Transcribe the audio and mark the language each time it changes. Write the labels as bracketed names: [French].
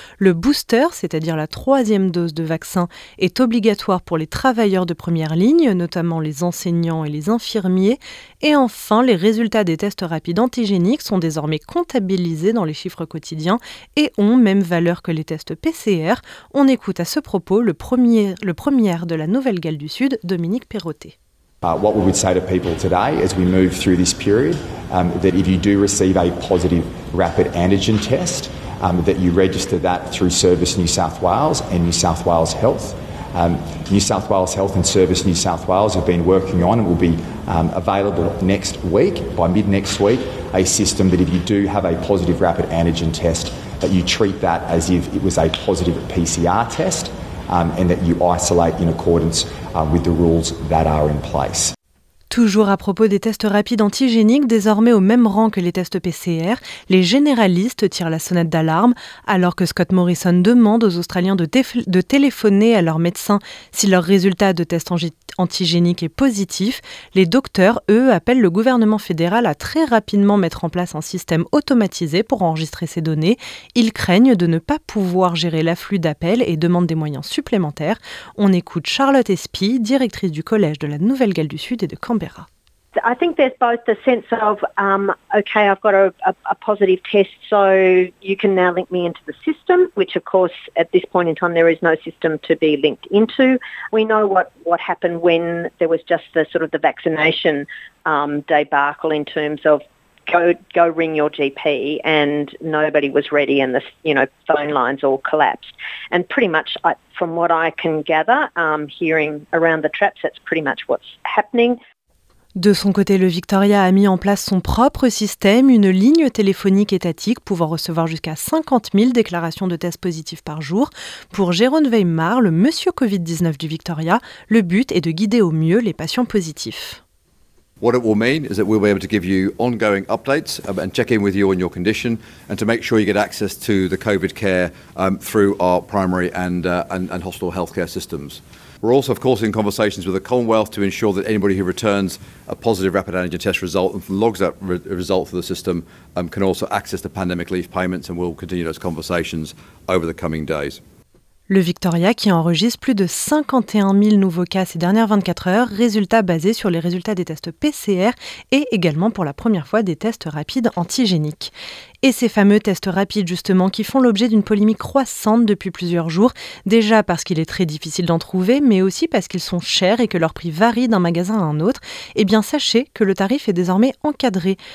[French] Le booster, c'est-à-dire la troisième dose de vaccin, est obligatoire pour les travailleurs de première ligne, notamment les enseignants et les infirmiers. Et enfin, les résultats des tests rapides antigéniques sont désormais comptabilisés dans les chiffres quotidiens et ont même valeur que les tests PCR. On écoute à ce propos le premier de la Nouvelle-Galles du Sud, Dominique Perrottet. [English] What we would say to people today as we move through this period, that if you do receive a positive rapid antigen test, that you register that through Service New South Wales and New South Wales Health. New South Wales Health and Service New South Wales have been working on and will be available next week, by mid-next week, a system that if you do have a positive rapid antigen test, that you treat that as if it was a positive PCR test and that you isolate in accordance with the rules that are in place. [French] Toujours à propos des tests rapides antigéniques, désormais au même rang que les tests PCR, les généralistes tirent la sonnette d'alarme. Alors que Scott Morrison demande aux Australiens de téléphoner à leur médecin si leur résultat de test antigénique est positif, les docteurs, eux, appellent le gouvernement fédéral à très rapidement mettre en place un système automatisé pour enregistrer ces données. Ils craignent de ne pas pouvoir gérer l'afflux d'appels et demandent des moyens supplémentaires. On écoute Charlotte Espy, directrice du Collège de la Nouvelle-Galles du Sud et de Canberra. [English] I think there's both the sense of, okay, I've got a positive test, so you can now link me into the system, which of course at this point in time there is no system to be linked into. We know what happened when there was just the sort of the vaccination debacle in terms of go ring your GP and nobody was ready and the phone lines all collapsed. And pretty much from what I can gather, hearing around the traps, that's pretty much what's happening. [French] De son côté, le Victoria a mis en place son propre système, une ligne téléphonique étatique pouvant recevoir jusqu'à 50 000 déclarations de tests positifs par jour. Pour Jérôme Weimar, le monsieur Covid-19 du Victoria, le but est de guider au mieux les patients positifs. [English] What it will mean is that we'll be able to give you ongoing updates and check in with you on your condition and to make sure you get access to the COVID care through our primary and hospital healthcare systems. We're also, of course, in conversations with the Commonwealth to ensure that anybody who returns a positive rapid antigen test result and logs that result through the system can also access the pandemic leave payments, and we'll continue those conversations over the coming days. [French] Le Victoria, qui enregistre plus de 51 000 nouveaux cas ces dernières 24 heures, résultats basés sur les résultats des tests PCR et également pour la première fois des tests rapides antigéniques. Et ces fameux tests rapides justement qui font l'objet d'une polémique croissante depuis plusieurs jours, déjà parce qu'il est très difficile d'en trouver, mais aussi parce qu'ils sont chers et que leur prix varie d'un magasin à un autre, eh bien sachez que le tarif est désormais encadré.